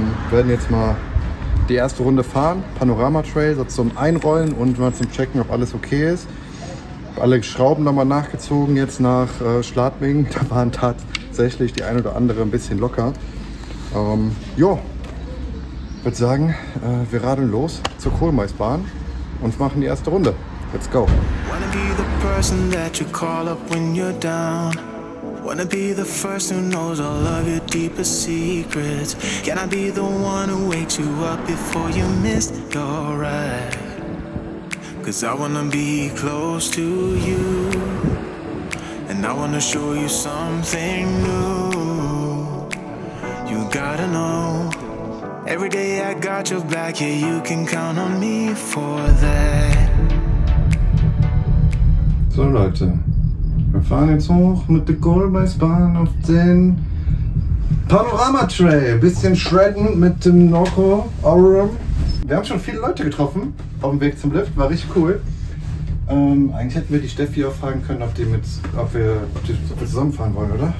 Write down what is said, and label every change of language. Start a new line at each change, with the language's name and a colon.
German: Werden jetzt mal die erste Runde fahren, Panorama Trail, so zum Einrollen und mal zum Checken, ob alles okay ist. Alle Schrauben nochmal nachgezogen jetzt nach Schladming. Da waren tatsächlich die ein oder andere ein bisschen locker. Würde sagen, wir radeln los zur Kohlmeisbahn und machen die erste Runde.
English: Let's go. Wanna be the person that you call up when you're down. Wanna be the first who knows all of your deepest secrets. Can I be the one who wakes you up before you miss your ride? Cause I wanna be close to you. And I wanna show you something new. You gotta know. Every day I got your back, yeah, you can count on me for that.
German: So Leute, wir fahren jetzt hoch mit der Kohlmeisbahn auf den Panorama Trail. Bisschen shredden mit dem Norco Aurum. Wir haben schon viele Leute getroffen auf dem Weg zum Lift, war richtig cool. Eigentlich hätten wir die Steffi auch fragen können, ob wir zusammenfahren wollen, oder?